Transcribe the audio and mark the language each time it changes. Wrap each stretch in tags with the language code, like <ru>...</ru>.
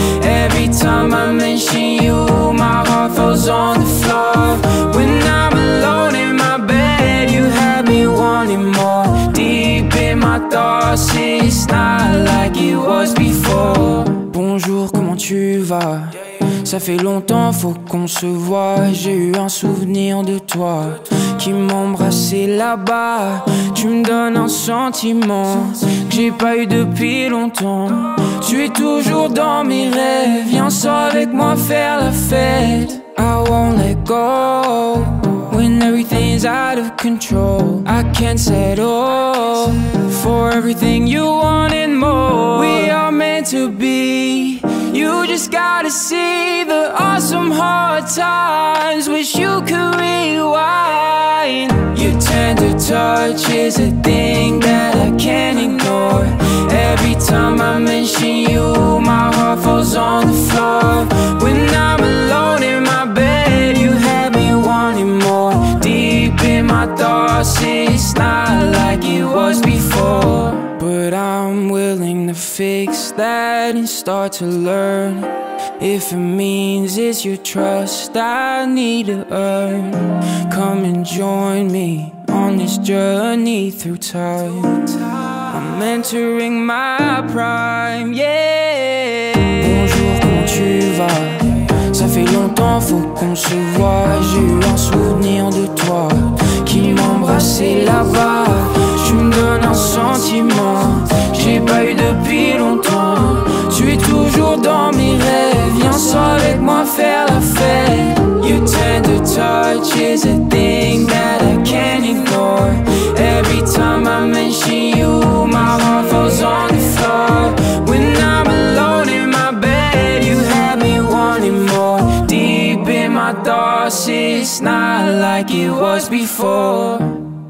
<en>Every time I mention you, my heart falls on the floor. When I'm alone in my bed, you have me wanting more. Deep in my thoughts, it's not like it was before.</en> <fr>Bonjour, comment tu vas? Ça fait longtemps, faut qu'on se voit. J'ai eu un souvenir de toi qui m'embrassait là-bas. Tu me donnes un sentiment que j'ai pas eu depuis longtemps. Tu es toujours dans mes rêves. Viens avec moi faire la fête.</fr> <en>I won't let go when everything's out of control. I can't settle for everything you want and more. We are meant to be. You just gotta see the awesome hard times. Wish you could rewind. Your tender touch is a thing that I can't ignore. Every time I mention you, my heart falls on the floor. When I'm alone in my bed, you have me wanting more. Deep in my thoughts, it's not like it was before. But I'm willing to fix that and start to learn. If it means it's your trust I need to earn. Come and join me on this journey through time. I'm entering my prime, yeah.</en> <fr>Bonjour, comment tu vas? Ça fait longtemps, faut qu'on se voit. J'ai eu un souvenir de toi qui m'embrassait là-bas. Tu me donnes un sentiment j'ai pas eu depuis longtemps. Tu es toujours dans mes rêves. Viens seul avec moi faire la fête.</fr> <en>Your tender touch is a thing that I can't ignore. Every time I mention you, my heart falls on the floor. When I'm alone in my bed, you have me wanting more. Deep in my thoughts, it's not like it was before.</en>